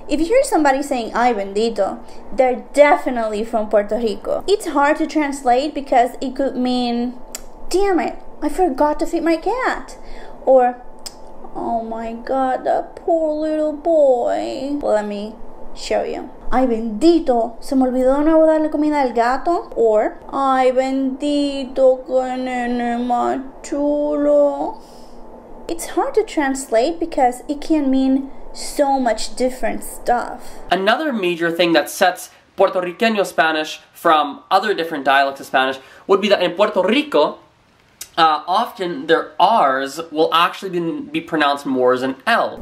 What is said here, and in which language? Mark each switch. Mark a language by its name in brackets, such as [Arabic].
[English] If you hear somebody saying ay bendito, they're definitely from Puerto Rico. It's hard to translate because it could mean, damn it, I forgot to feed my cat. Or, oh my god, that poor little boy. Well, let me show you. [Spanish] Ay bendito, se me olvidó de nuevo darle comida al gato. Or, ay bendito, que nene más chulo. [English] It's hard to translate because it can mean so much different stuff. Another major thing that sets Puerto Rican Spanish from other different dialects of Spanish would be that in Puerto Rico, often their R's will actually be pronounced more as an L.